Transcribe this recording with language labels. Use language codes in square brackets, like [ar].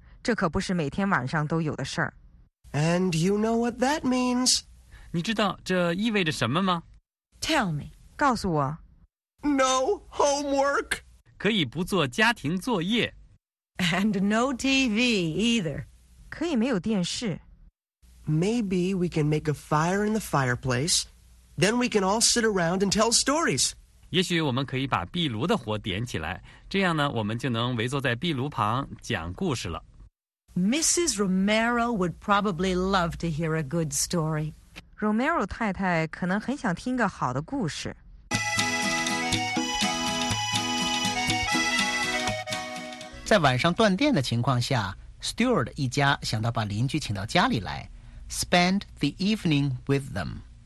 [zh] 我想是吧,没有电灯,这可不是每天晚上都有的事儿。 [en] And you know what that means. [zh] 你知道这意味着什么吗? [en] Tell me. [zh] 告诉我。 [en] No homework. [zh] 可以不做家庭作业。 [en] And no TV either. [zh] 可以没有电视。 [en] Maybe we can make a fire in the fireplace. Then we can all sit around and tell stories. [zh] 也许我们可以把壁炉的火点起来,这样呢,我们就能围坐在壁炉旁讲故事了。 [en] Mrs. Romero would probably love to hear a good story. [zh] Romero 太太可能很想听个好的故事。在晚上断电的情况下, Stewart 一家想到把邻居请到家里来, [en] spend the evening with them.